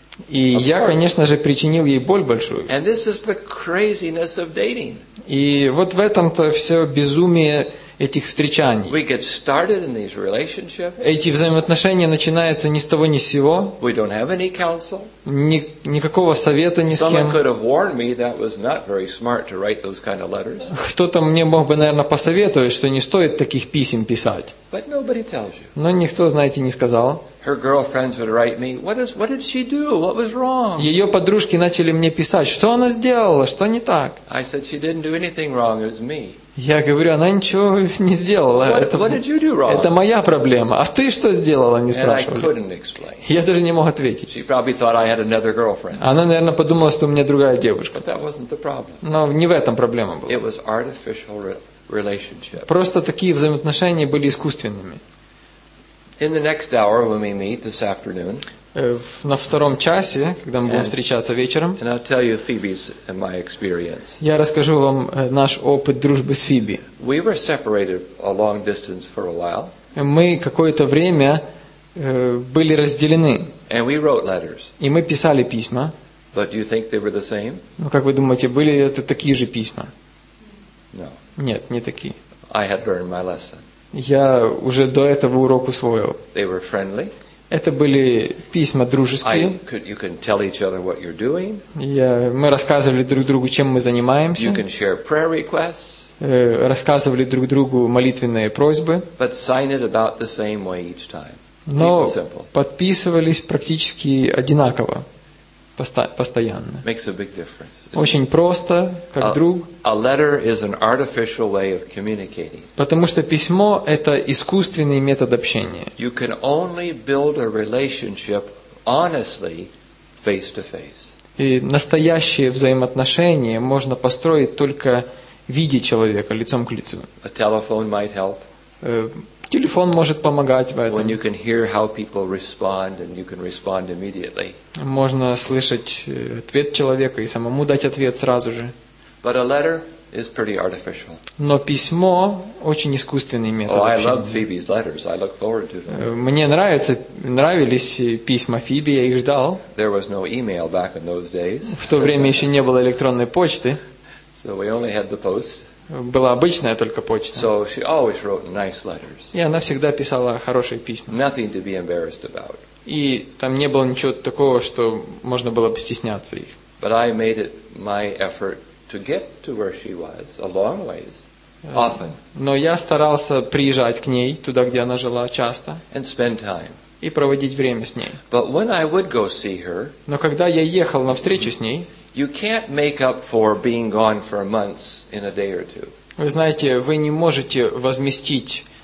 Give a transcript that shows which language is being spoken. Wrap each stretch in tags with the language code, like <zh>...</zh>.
<ru>И я, конечно же, причинил ей боль большую.</ru> <en>And this is the craziness of dating.</en> <ru>И вот в этом-то все безумие этих встречаний.</ru> <en>We get started in these relationships.</en> <ru>Эти взаимоотношения начинаются ни с того, ни с сего.</ru> <en>We don't have any counsel.</en> <ru>Никакого совета ни с кем.</ru> <en>Someone could have warned me that was not very smart to write those kind of letters.</en> <ru>Кто-то мне мог бы, наверное, посоветовать, что не стоит таких писем писать.</ru> <en>But nobody tells you.</en> <ru>Но никто, знаете, не сказал.</ru> <en>Her girlfriends would write me, what did she do? What was wrong?</en> <ru>Ее подружки начали мне писать, что она сделала, что не так.</ru> <en>I said she didn't do anything wrong, it was me.</en> <ru>Я говорю, она ничего не сделала. Это моя проблема. А ты что сделала, не спрашивали. Я даже не мог ответить.</ru> <en>She probably thought I had another girlfriend.</en> <ru>Она, наверное, подумала, что у меня другая девушка.</ru> <en>But that wasn't the problem.</en> <ru>Но не в этом проблема была.</ru> <en>It was artificial relationship.</en> <ru>Просто такие взаимоотношения были искусственными.</ru> <en>In the next hour when we meet this afternoon.</en> <ru>На втором часе, когда мы будем встречаться вечером,</ru> <en>and I'll tell you Phoebe's and my experience.</en> <ru>Я расскажу вам наш опыт дружбы с Фиби.</ru> <en>We were separated a long distance for a while.</en> <ru>Мы какое-то время были разделены.</ru> <en>And we wrote letters.</en> <ru>И мы писали письма.</ru> <en>But do you think they were the same?</en> <ru>Ну как вы думаете, были это такие же письма?</ru> <en>No.</en> <ru>Нет, не такие.</ru> <en>I had learned my lesson.</en> <ru>Я уже до этого урок усвоил.</ru> <en>They were friendly.</en> <ru>Это были письма дружеские.</ru> <en>You can tell each other what you're doing.</en> <ru>Мы рассказывали друг другу, чем мы занимаемся.</ru> <en>You can share prayer requests.</en> <ru>Рассказывали друг другу молитвенные просьбы.</ru> <en>But sign it about the same way each time.</en> <ru>Но подписывались практически одинаково, постоянно.</ru> <en>Makes a big difference.</en> <ru>Очень просто, как друг.</ru> <en>A letter is an artificial way of communicating.</en> <ru>Потому что письмо – это искусственный метод общения.</ru> <en>You can only build a relationship honestly face-to-face.</en> <ru>И настоящие взаимоотношения можно построить только в виде человека, лицом к лицу.</ru> <en>A telephone might help.</en> <ru>Телефон может помогать в этом.</ru> <en>When you can hear how people respond and you can respond immediately.</en> <ru>Можно слышать ответ человека и самому дать ответ сразу же.</ru> <en>But a letter is pretty artificial.</en> <ru>Но письмо очень искусственный метод общения.</ru> <en>Oh, I love Phoebe's letters. I look forward to them.</en> <ru>Мне нравились письма Фиби, я их ждал.</ru> <en>There was no email back in those days.</en> <ru>В то время еще не было электронной почты.</ru> <en>So we only had the post.</en> <ru>Была обычная только почта.</ru> <en>So she always wrote nice letters.</en> <ru>И она всегда писала хорошие письма.</ru> <en>Nothing to be embarrassed about.</en> <ru>И там не было ничего такого, что можно было бы стесняться их.</ru> <en>But I made it my effort to get to where she was a long ways, often.</en> <ru>Но я старался приезжать к ней, туда, где она жила, часто.</ru> <en>And spend time.</en> <ru>И проводить время с ней.</ru> <en>But when I would go see her,</en> <ru>но когда я ехал на встречу с ней,</ru> <en>you can't make up for being gone for months in a day or two.</en> <ru>Вы знаете, вы не можете возместить</ru>